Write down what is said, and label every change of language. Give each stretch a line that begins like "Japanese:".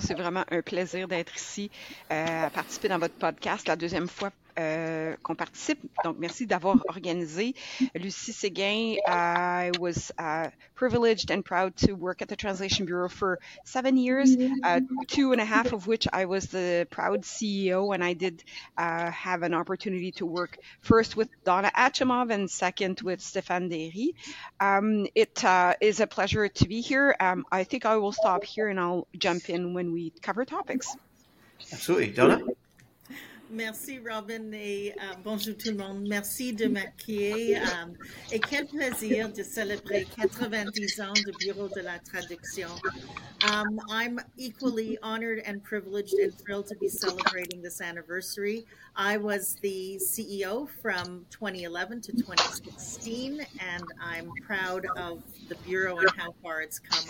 French: C'est vraiment un plaisir d'être ici, à participer dans votre podcast la deuxième fois. Qu'on participe. Donc, merci d'avoir organisé.
English: Lucie Séguin, I was privileged and proud to work at the Translation Bureau for 7 years, 2.5 of which I was the proud CEO, and I did have an opportunity to work first with Donna Achimov and second with Stéphane Derry. It is a pleasure to be here. I think I will stop here and I'll jump in when we cover topics. Absolutely. Donna?
French: Merci, Robin, et bonjour tout le monde. Merci de m'accueillir. Et quel plaisir de célébrer 90 ans du Bureau de la Traduction.
English: I'm equally honored and privileged and thrilled to be celebrating this anniversary. I was the CEO from 2011 to 2016, and I'm proud of the Bureau and how far it's come.